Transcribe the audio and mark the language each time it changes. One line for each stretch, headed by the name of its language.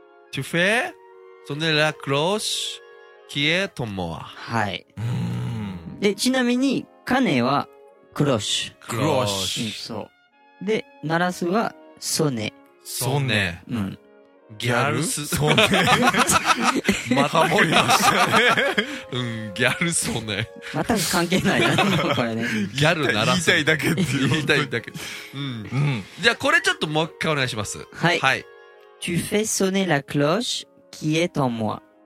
French: Tu fais sonner la cloche qui est ton moi。
Japanese: はい、でちなみにカネはクロッシュ、クロッシュ、うん、そうで鳴らすはソネ、ソネ、うん、ギャルスソネ。また思いましたね。うん、ギャルソネ。全く関係ないな、これね。ギャル鳴らす。言いたいだけっていう。言いたいだけ。うん。じゃあ、これちょっともう一回お願いします。はい。はい。
French: Tu fais sonner la cloche qui est en moi。